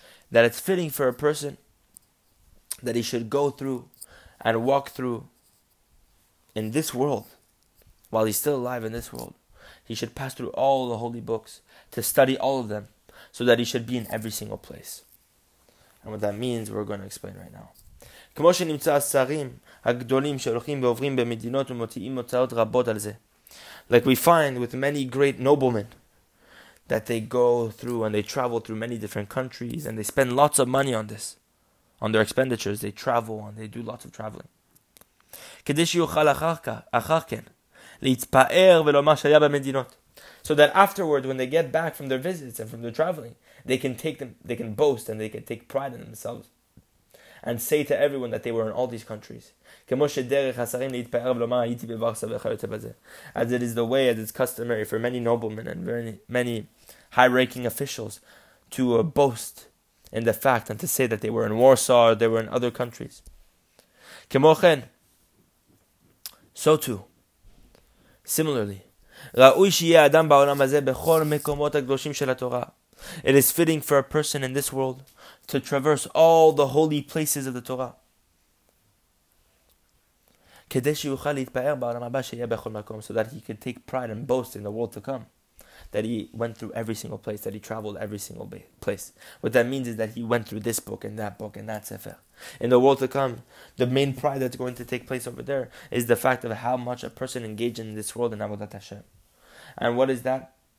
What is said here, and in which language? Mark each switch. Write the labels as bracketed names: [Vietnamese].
[English] That it's fitting for a person that he should go through and walk through in this world, while he's still alive in this world. He should pass through all the holy books to study all of them, so that he should be in every single place. And what that means, we're going to explain right now. [Hebrew] כמו שנמצא השרים הגדולים שהולכים ועוברים במדינות ומוציאים הוצאות רבות על זה. [English] Like we find with many great noblemen, that they go through and they travel through many different countries, and they spend lots of money on this, on their expenditures. They travel and they do lots of traveling. [Hebrew] כדי שיוכל אחר כן, להתפאר ולומר שהיה במדינות. [English] So that afterward, when they get back from their visits and from their traveling, they can take them, they can boast and they can take pride in themselves and say to everyone that they were in all these countries. As it is the way, as it's customary for many noblemen and many high-ranking officials to boast in the fact and to say that they were in Warsaw or they were in other countries. So too, similarly, [Hebrew] ראוי שיהיה אדם בעולם הזה בכל מקומות הקדושים של התורה. [English] It is fitting for a person in this world to traverse all the holy places of the Torah. [Hebrew] כדי שיוכל להתפאר בעולם הבא שיהיה בכל מקום, [English] so that he can take pride and boast in the world to come. That he went through every single place, that he traveled every single place. What that means is that he went through this book and that sefer. In the world to come, the main pride that's going to take place over there is the fact of how much a person engaged in this world in Avodat Hashem. And what is that?